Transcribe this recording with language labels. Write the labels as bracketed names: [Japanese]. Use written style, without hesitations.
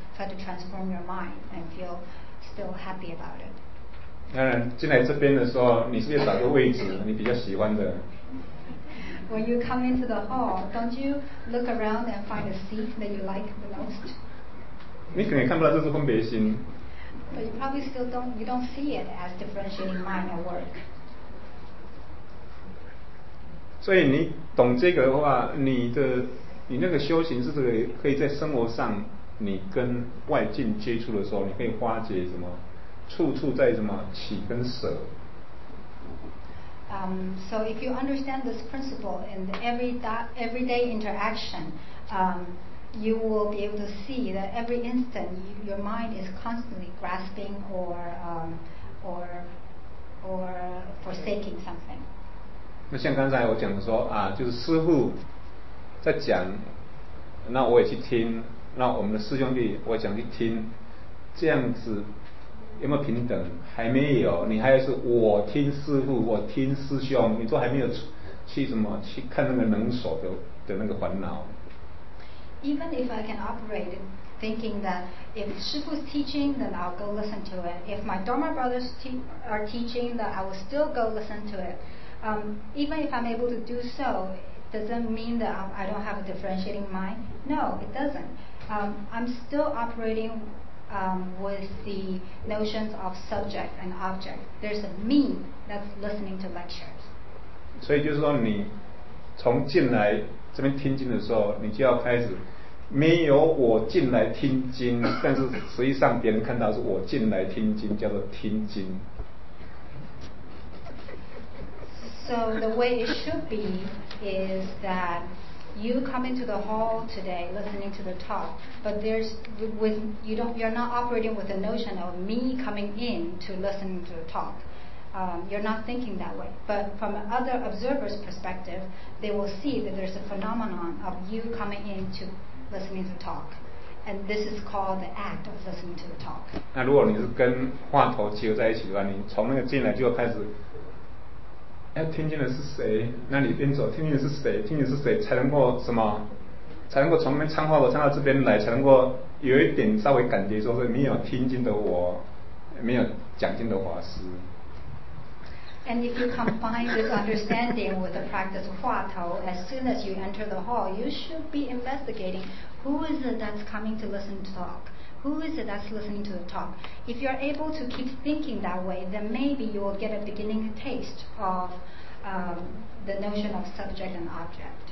[English] Try to transform your mind and feel still happy about it. [Chinese] 当然，进来这边的时候，你是不是找个位置你比较喜欢的 [English] ？When you come into the hall, don't you look around and find a seat that you like the most? [Chinese] 你可能看不到这是分别心。 [English] But you probably still don't see it as differentiating mind at work. [Chinese] 所以你懂这个的话，你那个修行是这个，可以在生活上。你跟外境接触的时候，你可以化解什么？处处在什么起跟舍。 [English] So if you understand this principle in the everyday interaction, you will be able to see that every instant your mind is constantly grasping or forsaking something. [Chinese] 那像刚才我讲的说啊，就是师父在讲，那我也去听。那我们的师兄弟，我想去听，这样子有没有平等？还没有，你还是我听师父，我听师兄，你都还没有去什么去看那个能所的那个烦恼。 [English] Even if I can operate thinking that if 师父 is teaching, then I'll go listen to it. If my Dharma brothers are teaching, then I will still go listen to it. Even if I'm able to do so, doesn't mean that I don't have a differentiating mind. No, it doesn't. I'm still operating with the notions of subject and object. There's a me that's listening to lectures. [Chinese] 所以就是说你从进来这边听经的时候，你就要开始没有我进来听经，但是实际上别人看到是我进来听经，叫做听经。 [English] So the way it should be is that you come into the hall today listening to the talk, but there's with you don't you're not operating with the notion of me coming in to listen to the talk. You're not thinking that way. But from other observers' perspective, they will see that there's a phenomenon of you coming in to listening to the talk, and this is called the act of listening to the talk. [Chinese] 那如果你是跟话头结合在一起的话，你从那个进来就开始。要听见的是谁？那你边走，听见的是谁？听见的是谁才能够什么？才能够从那边唱话头唱到这边来，才能够有一点稍微感觉说是没有听见的我，没有讲经的法师。 [English] And if you combine this understanding with the practice of 话头 as soon as you enter the hall, you should be investigating who is it that's coming to listen to talk. Who is it that's listening to the talk? If you're able to keep thinking that way, then maybe you will get a beginning taste of the notion of subject and object.